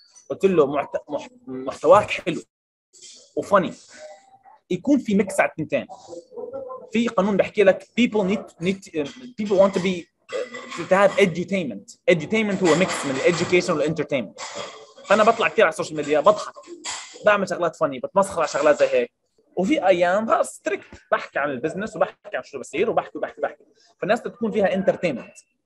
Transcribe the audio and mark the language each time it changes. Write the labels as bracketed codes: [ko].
[ar] قلت له محتواك حلو وفاني، يكون في ميكس على التنتين. في قانون بحكي لك [en] people need people want to be to have edutainment. [ar] Edutainment هو ميكس من education والentertainment. فأنا بطلع كتير على السوشيال ميديا، بضحك، بعمل شغلات فاني، بتمسخر على شغلات زي هيك. وفي أيام هاستريك بحكي عن البزنس وبحكي عن شو بصير وبحكي. فالناس تكون فيها entertainment.